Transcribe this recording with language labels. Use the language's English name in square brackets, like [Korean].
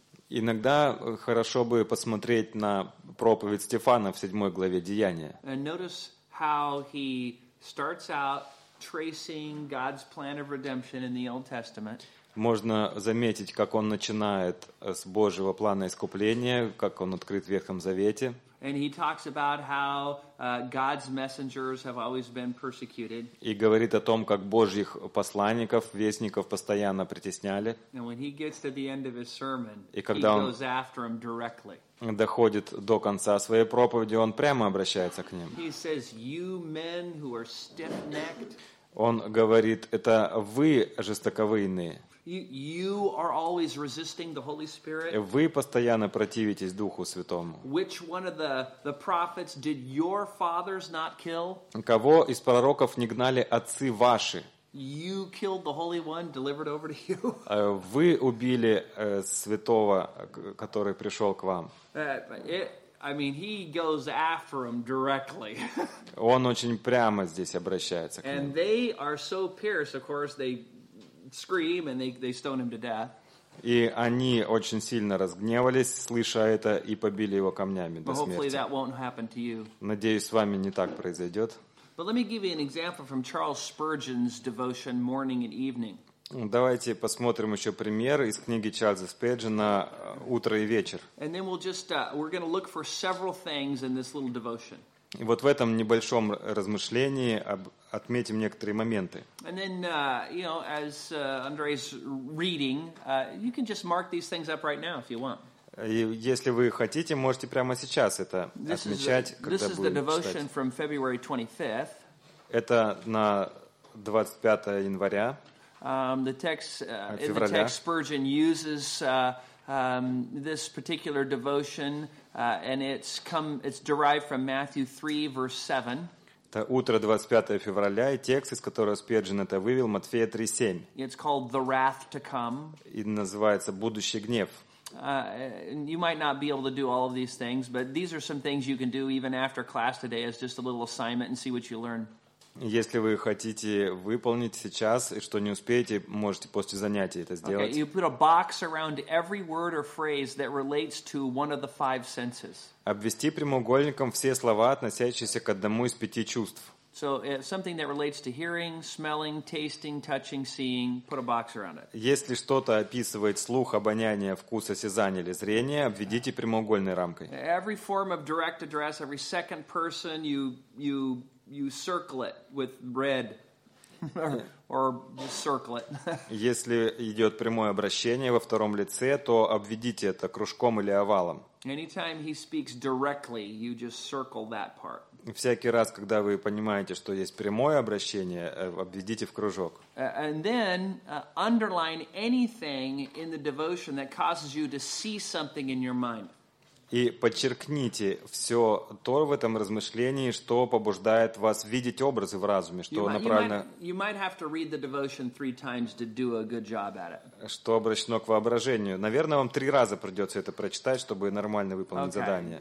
[Russian] Иногда хорошо бы посмотреть на проповедь Стефана в 7 главе Деяния. [English] And notice how he starts out tracing God's plan of redemption in the Old Testament. [Russian] Можно заметить, как он начинает с Божьего плана искупления, как он открыт в Ветхом Завете. [English] And he talks about how God's messengers have always been persecuted. [Russian] И говорит о том, как Божьих посланников, вестников постоянно притесняли. [English] And when he gets to the end of his sermon, he goes after them directly. [Russian] Доходит до конца своей проповеди, он прямо обращается к ним. [English] He says, "You men who are stiff-necked." [Russian] Он говорит: "Это вы жестоковыйные." [English] You are always resisting the Holy Spirit. [Russian] Вы постоянно противитесь Духу Святому. [English] Which one of the prophets did your fathers not kill? [Russian] Кого из пророков не гнали отцы ваши? [English] You killed the Holy One, delivered over to you. [Russian] Вы убили святого, который пришел к вам. [English] He goes after them directly. [Russian] Он очень прямо здесь обращается к ним. [English] And they are so pierced, of course, they scream and they stone him to death. [Russian] И они очень сильно разгневались, слыша это, и побили его камнями до смерти. [English] Hopefully that won't happen to you. [Russian] Надеюсь, с вами не так произойдет. [English] But let me give you an example from Charles Spurgeon's devotion Morning and Evening. [Russian] Давайте посмотрим еще пример из книги Чарльза Спеджина «Утро и вечер». [English] And then we're going to look for several things in this little devotion. [Russian] И вот в этом небольшом размышлении отметим некоторые моменты. [English] And then, as Andre's reading, you can just mark these things up right now if you want. [Russian] И если вы хотите, можете прямо сейчас это отмечать, когда будете читать. [English] This is the devotion from February 25th. [Russian] Это на 25 января. [English] The text, the text Spurgeon uses this particular devotion, and it's derived from Matthew 3, verse 7. [Russian] Это утро 25 февраля, и текст, из которого Спеджин это вывел, Матфея 3:7. [English] It's called The Wrath to Come. [Russian] И называется «Будущий гнев». [English] You might not be able to do all of these things, but these are some things you can do even after class today as just a little assignment and see what you learn. [Russian] Если вы хотите выполнить сейчас и что не успеете, можете после занятия это сделать. [English] Okay, you put a box around every word or phrase that relates to one of the five senses. [Russian] Обвести прямоугольником все слова, относящиеся к одному из пяти чувств. [English] So something that relates to hearing, smelling, tasting, touching, seeing, put a box around it. [Russian] Если что-то описывает слух, обоняние, вкус, осязание или зрение, обведите прямоугольной рамкой. [English] Every form of direct address, every second person, you circle it with red or circle it. [Russian] Если идет прямое обращение во втором лице, то обведите это кружком или овалом. [English] Anytime he speaks directly, you just circle that part. [Russian] всякий раз, когда вы понимаете, что есть прямое обращение, обведите в кружок. [English] And then underline anything in the devotion that causes you to see something in your mind. [Russian] И подчеркните все то в этом размышлении, что побуждает вас видеть образы в разуме, что направлено, что обращено к воображению. Наверное, вам три раза придется это прочитать, чтобы нормально выполнить задание.